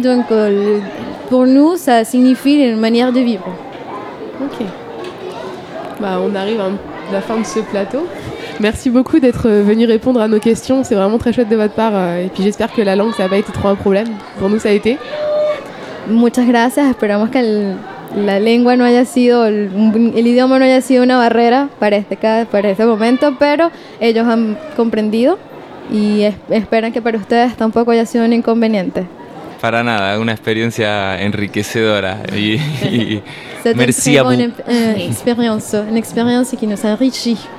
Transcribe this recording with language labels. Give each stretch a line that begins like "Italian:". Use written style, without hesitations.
French: Donc pour nous, ça signifie une manière de vivre. Ok. Bah, on arrive à la fin de ce plateau. Merci beaucoup d'être venu répondre à nos questions. C'est vraiment très chouette de votre part. Et puis j'espère que la langue, ça n'a pas été trop un problème. Pour nous, ça a été.
Spanish: Muchas gracias. Esperamos que la lengua no haya sido, el idioma no haya sido una barrera para este momento, pero ellos han comprendido y esperan que para ustedes tampoco haya sido un inconveniente. Para nada, una experiencia enriquecedora.
French: C'est une très bonne expérience, une expérience qui nous enrichit.